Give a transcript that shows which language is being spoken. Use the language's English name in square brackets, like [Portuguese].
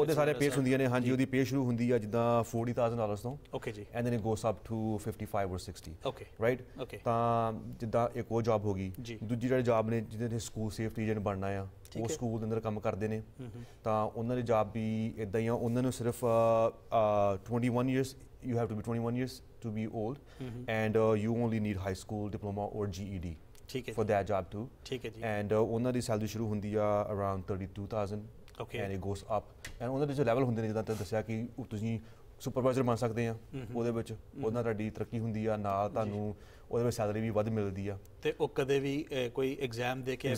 [Punjabi] ਉਹਦੇ ਸਾਰੇ ਪੇਸ ਹੁੰਦੀਆਂ ਨੇ, ਹਾਂਜੀ. ਉਹਦੀ ਪੇ ਸ਼ੁਰੂ ਹੁੰਦੀ ਆ ਜਿੱਦਾਂ $40,000 ਤੋਂ, ਓਕੇ ਜੀ, [English] And then it goes up to 55 or 60, okay, right? Okay. [Punjabi] ਤਾਂ ਜਿੱਦਾਂ ਇੱਕ ਉਹ ਜੋਬ ਹੋ ਗਈ ਜੀ. ਦੂਜੀ ਜਿਹੜੇ ਜੋਬ ਨੇ ਜਿਹਦੇ ਨੇ ਸਕੂਲ ਸੇਫਟੀ ਏਜੰਟ ਬਣਨਾ ਆ, ਉਹ ਸਕੂਲ ਦੇ ਅੰਦਰ ਕੰਮ ਕਰਦੇ ਨੇ, ਤਾਂ ਉਹਨਾਂ ਦੀ ਜੋਬ ਵੀ ਇੱਦਾਂ ਹੀ ਆ. ਉਹਨਾਂ ਨੂੰ ਸਿਰਫ 21 years [English] you have to be 21 years to be old, mm-hmm. and you only need high school diploma or GED for that job too. [Punjabi] And ਉਹਨਾਂ ਦੀ ਸੈਲਰੀ ਸ਼ੁਰੂ ਹੁੰਦੀ ਆ around 32,000 [English] okay. and it goes up. [Punjabi] And ਉਹਨਾਂ ਦੇ ਜੋ level ਹੁੰਦੇ ਨੇ ਜਿੱਦਾਂ ਤੁਹਾਨੂੰ ਦੱਸਿਆ ਕਿ ਤੁਸੀਂ ਸੁਪਰਵਾਈਜ਼ਰ ਬਣ ਸਕਦੇ ਆ ਉਹਦੇ ਵਿੱਚ, ਉਹਨਾਂ ਤੁਹਾਡੀ ਤਰੱਕੀ ਹੁੰਦੀ ਆ ਨਾਲ, ਤੁਹਾਨੂੰ ਉਹਦੇ ਵਿੱਚ ਸੈਲਰੀ ਵੀ ਵੱਧ ਮਿਲਦੀ ਆ ਤੇ ਉਹ ਕਦੇ ਵੀ ਕੋਈ ਐਗਜ਼ਾਮ ਦੇ ਕੇ